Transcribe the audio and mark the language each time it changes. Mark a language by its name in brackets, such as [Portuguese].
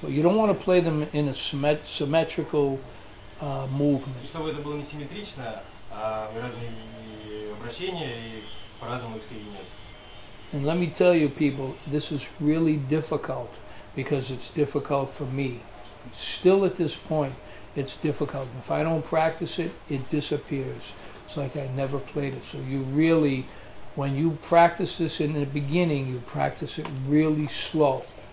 [English] supposed to. You don't want to play them in a symmetrical movement. [Russian] Чтобы это было не симметрично, а разные обращения и по-разному их соединять. [English] And let me tell you, people, this is really difficult because it's difficult for me. Still at this point, it's difficult. If I don't practice it, it disappears. It's like I never played it. So you really, when you practice this in the beginning, you practice it really slow.